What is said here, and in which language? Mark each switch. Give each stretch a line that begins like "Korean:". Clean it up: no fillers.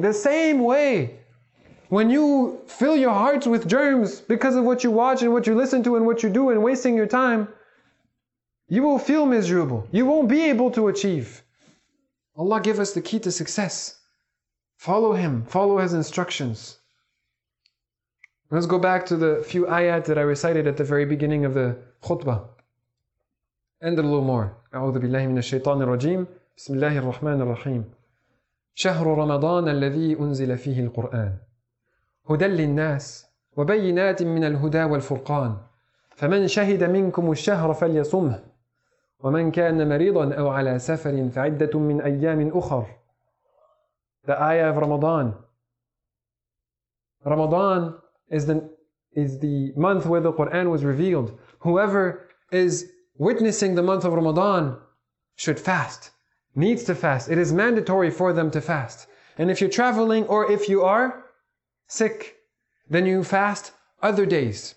English: The same way. When you fill your hearts with germs because of what you watch and what you listen to and what you do and wasting your time, you will feel miserable. You won't be able to achieve. Allah give us the key to success. Follow Him. Follow His instructions. Let's go back to the few ayat that I recited at the very beginning of the khutbah. And a little more.
Arabic: أعوذ بالله من الشيطان الرجيم بسم الله الرحمن الرحيم شهر رمضان الذي أنزل فيه القرآن هدى للناس وبينات من الهدى والفرقان فمن شهد منكم الشهر فليصمه ومن كان مريضا أو على سفر فعدة من أيام أخر.
English: The ayah of Ramadan. Ramadan is the month where the Quran was revealed. Whoever is witnessing the month of Ramadan should fast, needs to fast. It is mandatory for them to fast. And if you're traveling or if you are sick, then you fast other days.